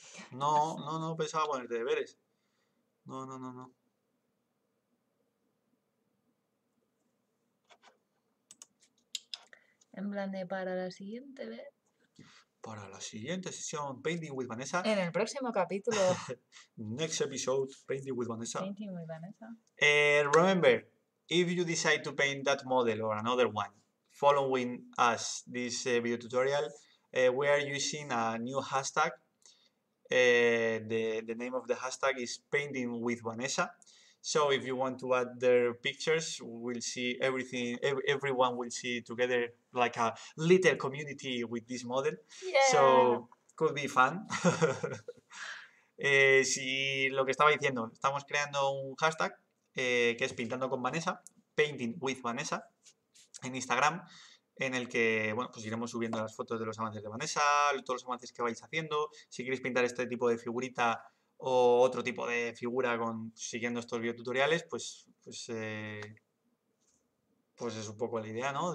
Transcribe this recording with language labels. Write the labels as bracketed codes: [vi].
[es] No, pensaba ponerte deberes. No. En plan de para la siguiente vez. Para la siguiente sesión, Painting with Vanessa. En el próximo capítulo. [en] Next episode, Painting with Vanessa. Painting with Vanessa. Remember, if you decide to paint that model or another one, following us this video tutorial, we are using a new hashtag. The name of the hashtag is Painting with Vanessa. So if you want to add their pictures, we'll see everything. Everyone will see together like a little community with this model. Yeah. So could be fun. [es] si lo que estaba diciendo, estamos creando un hashtag que es Pintando con Vanessa, Painting with Vanessa, en Instagram, en el que, bueno, pues iremos subiendo las fotos de los avances de Vanessa, todos los avances que vais haciendo. Si queréis pintar este tipo de figurita o otro tipo de figura con, siguiendo estos videotutoriales, pues es un poco la idea, ¿no?